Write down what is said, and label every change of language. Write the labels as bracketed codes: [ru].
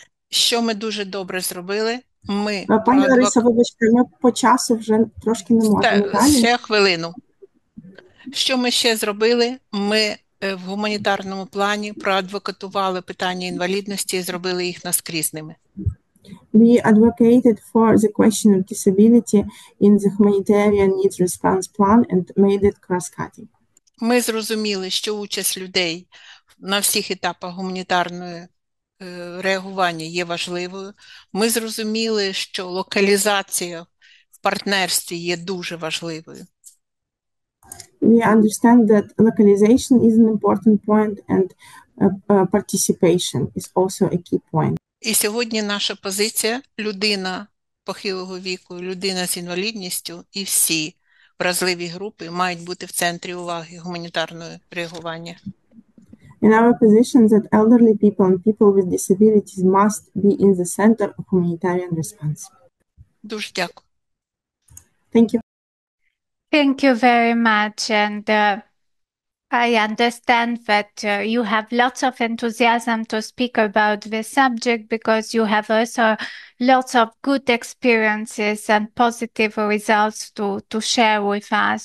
[uk] Що ми дуже добре зробили? Ми пані Лариса, вибачте, ми по часу вже трошки не можемо далі. Ще хвилину. Що ми ще зробили? Ми в гуманітарному плані проадвокатували питання інвалідності і зробили їх наскрізними. [en] We advocated for the question of disability in the humanitarian needs response plan and made it cross-cutting. [uk] Ми зрозуміли, що участь людей на всіх етапах гуманітарної реагування є важливою. Ми зрозуміли, що локалізація в партнерстві є дуже важливою. [en] We understand that localization is an important point and participation is also a key point. [uk] І сьогодні наша позиція – людина похилого віку, людина з інвалідністю і всі вразливі групи мають бути в центрі уваги гуманітарного реагування. [en] In our position that elderly people and people with disabilities must be in the center of humanitarian response. [uk] Дуже дякую. [en] Thank you. Thank you very much. And I understand that you have lots of enthusiasm to speak about this subject because you have also lots of good experiences and positive results to share with us.